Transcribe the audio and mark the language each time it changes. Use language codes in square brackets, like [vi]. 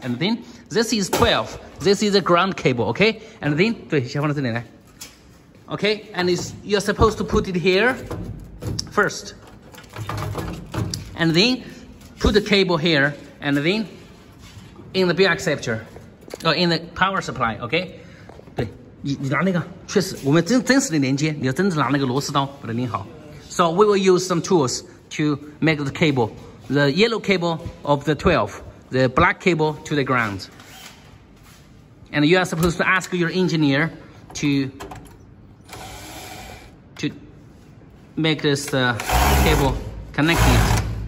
[en] And then this is 12. This is a ground cable, okay? And then, [zh] 对, 先放到这里来. [en] Okay, and it's, you're supposed to put it here first. And then put the cable here, and then in the bill acceptor, or in the power supply, okay? [zh] 对, 你拿那个, 确实, 我们真实的连接, 你要真的拿那个螺丝刀, 把它拧好. [en] So we will use some tools to make the cable, the yellow cable of the 12, the black cable to the ground. And you are supposed to ask your engineer to make this cable connected.